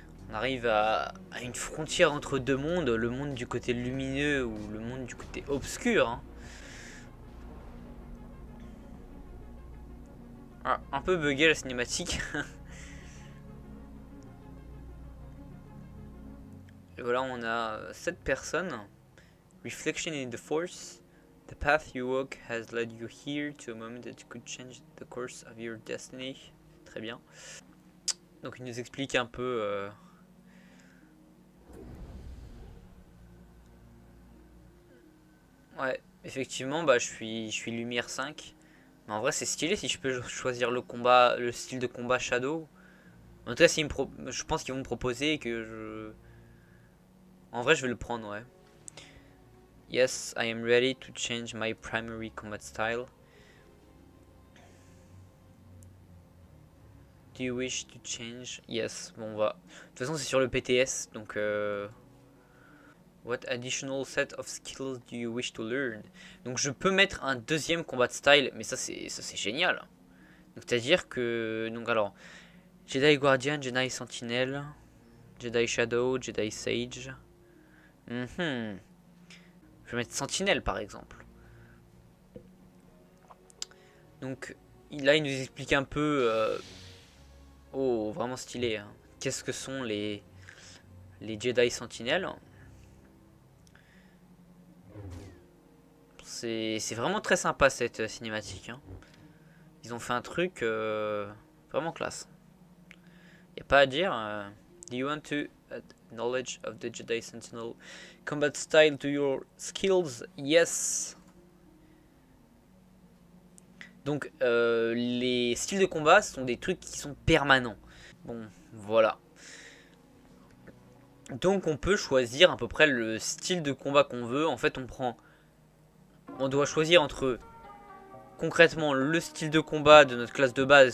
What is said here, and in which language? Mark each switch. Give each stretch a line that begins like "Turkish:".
French: On arrive à une frontière entre deux mondes, le monde du côté lumineux ou le monde du côté obscur, hein. Ah, un peu buggé la cinématique. Et voilà, on a cette personne.
English: Reflection in the Force. The path you walk has led you here to a moment that could change the course of your destiny.
French: Très bien. Donc il nous explique un peu. Ouais, effectivement, bah je suis lumière 5. Mais en vrai, c'est stylé si je peux choisir le combat, le style de combat Shadow. En tout cas, si je pense qu'ils vont me proposer et que je. En vrai, je vais le prendre, ouais.
English: Yes, I am ready to change my primary combat style. Do you wish to change? Yes,
French: bon, on va. De toute façon, c'est sur le PTS, donc.
English: What additional set of skills do you wish to learn?
French: Donc, je peux mettre un deuxième combat style, mais ça c'est génial. Donc, c'est-à-dire que. Donc, alors. Jedi Guardian, Jedi Sentinel, Jedi Shadow, Jedi Sage. Je vais mettre Sentinelle par exemple. Donc là il nous explique un peu. Oh, vraiment stylé. Hein. Qu'est-ce que sont les Jedi Sentinelles? C'est vraiment très sympa cette cinématique. Hein. Ils ont fait un truc vraiment classe. Y a pas à dire.
English: Do you want to Knowledge of the Jedi Sentinel. Combat style to your skills. Yes.
French: Donc, les styles de combat sont des trucs qui sont permanents. Bon, voilà. Donc, on peut choisir à peu près le style de combat qu'on veut. En fait, on doit choisir entre concrètement le style de combat de notre classe de base.